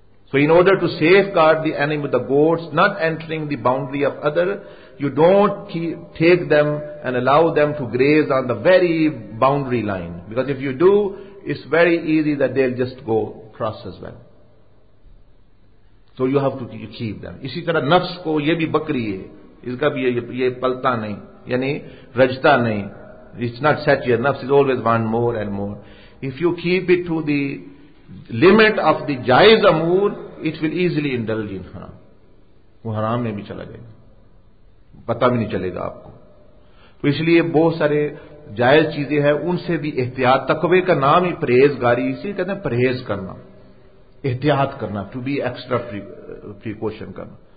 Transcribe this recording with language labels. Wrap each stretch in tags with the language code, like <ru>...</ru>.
<en>So in order to safeguard the animal the goats not entering the boundary of other, you don't take them and allow them to graze on the very boundary line, because if you do it's very easy that they will just go cross as well. So you have to keep them.</en> <ur>اسی طرح نفس کو, یہ بھی بکری ہے, اس کا بھی یہ پلتا نہیں یعنی رجتا نہیں.</ur> <en>It's not set here. Nafs is always want more and more. If you keep it to the limit of the jaiz amur, it will easily indulge in haram.</en> <ur>وہ حرام میں بھی چلا جائے گا, پتا بھی نہیں چلے گا آپ کو. تو اس لیے بہت سارے جائز چیزیں ہیں ان سے بھی احتیاط. تقوی کا نام ہی پرہیزگاری, اسی کہتے ہیں پرہیز کرنا, احتیاط کرنا,</ur> <en>to be extra precaution</en> <ur>کرنا.</ur>